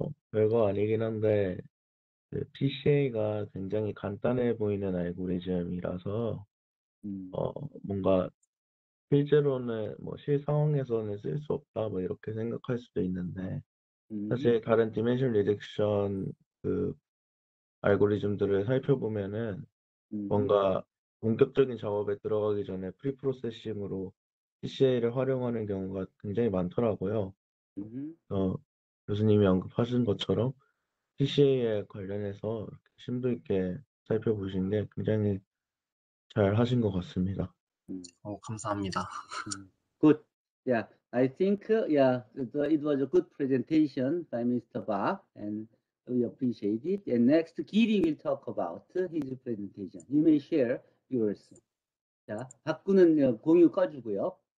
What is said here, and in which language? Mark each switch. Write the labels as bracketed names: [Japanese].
[Korean] 별거 아니긴 한데 PCA가 굉장히 간단해 보이는 알고리즘이라서 뭔가 실제로는 뭐 실상황에서는 쓸 수 없다 뭐 이렇게 생각할 수도 있는데 사실 다른 디멘션 리덕션 그 알고리즘들을 살펴보면은 뭔가 본격적인 작업에 들어가기 전에 프리프로세싱으로 PCA를 활용하는 경우가 굉장히 많더라고요. 교수님이 언급하신 것처럼 PCA에 관련해서 이렇게 심도 있게 살펴보신 게 굉장히 잘 하신 것 같습니다. 감사합니다. [English] Good. Yeah. I think it was a good presentation by Mr. Bach, and we appreciate it. And next, Giri will talk about his presentation. You may share yours. [Korean] 자, 박구는 공유 꺼주고요.